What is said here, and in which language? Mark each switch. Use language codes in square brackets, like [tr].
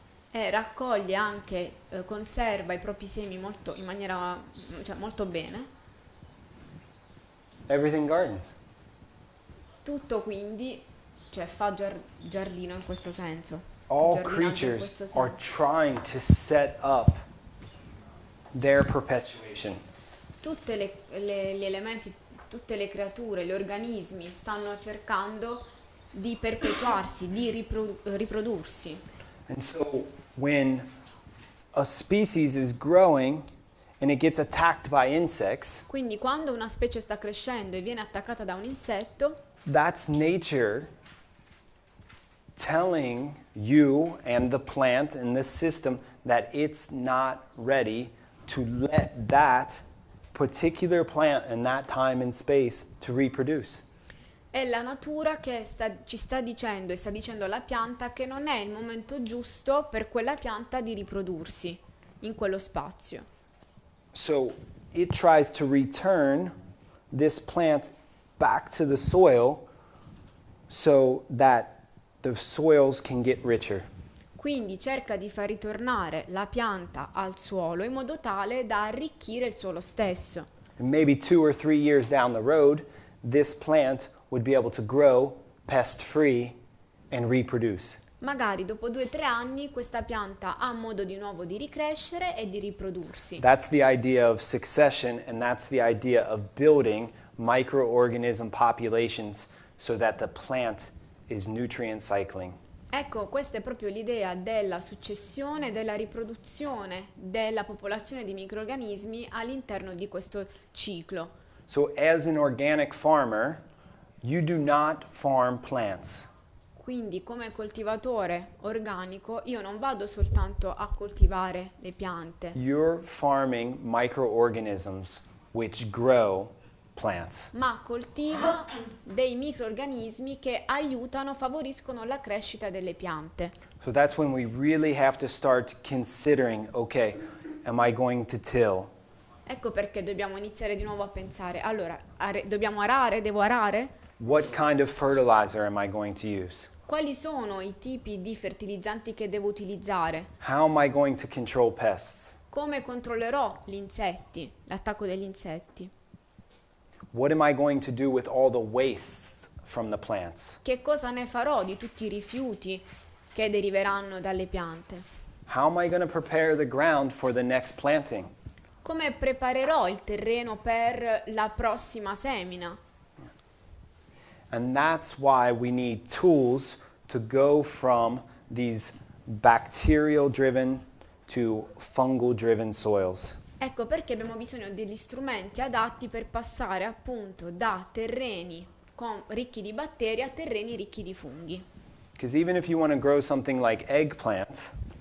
[it] E raccoglie anche, conserva i propri semi molto, in maniera, cioè, molto bene. [en] Everything gardens. [it] Tutto quindi, cioè, fa giardino in questo senso. [en] All creatures are trying to set up their perpetuation. [it] Tutte gli elementi, tutte le creature, gli organismi stanno cercando di perpetuarsi, di riprodursi. [en] And so when a species is growing and it gets attacked by insects. [it] Quindi quando una specie sta crescendo e viene attaccata da un insetto, [en] that's nature telling you and the plant and the system that it's not ready to let that particular plant in that time and space to reproduce. [it] è la natura che ci sta dicendo e sta dicendo alla pianta che non è il momento giusto per quella pianta di riprodursi in quello spazio. [en] So it tries to return this plant back to the soil so that the soils can get richer. [it] Quindi cerca di far ritornare la pianta al suolo in modo tale da arricchire il suolo stesso. [en] And maybe 2 or 3 years down the road, this plant would be able to grow pest-free and reproduce. [it] Magari dopo 2 o 3 anni questa pianta ha modo di nuovo di ricrescere e di riprodursi. [en] That's the idea of succession, and that's the idea of building microorganism populations so that the plant is nutrient cycling. [it] Ecco, questa è proprio l'idea della successione, della riproduzione della popolazione di microrganismi all'interno di questo ciclo. [en] So as an organic farmer, you do not farm plants. [it] Quindi come coltivatore organico io non vado soltanto a coltivare le piante. [en] You're farming microorganisms which grow plants. [it] Ma coltivo dei microorganismi che aiutano, favoriscono la crescita delle piante. [en] So that's when we really have to start considering, okay, am I going to till? [it] Ecco perché dobbiamo iniziare di nuovo a pensare. Allora, dobbiamo arare? Devo arare? [en] What kind of fertilizer am I going to use? [it] Quali sono i tipi di fertilizzanti che devo utilizzare? [en] How am I going to control pests? [it] Come controllerò gli insetti, l'attacco degli insetti? [en] What am I going to do with all the wastes from the plants? [it] Che cosa ne farò di tutti i rifiuti che deriveranno dalle piante? [en] How am I going to prepare the ground for the next planting? [it] Come preparerò il terreno per la prossima semina? [en] And that's why we need tools to go from these bacterial-driven to fungal-driven soils. [it] Ecco perché abbiamo bisogno degli strumenti adatti per passare appunto da terreni ricchi di batteri a terreni ricchi di funghi. [en] Because even if you want to grow something like eggplant,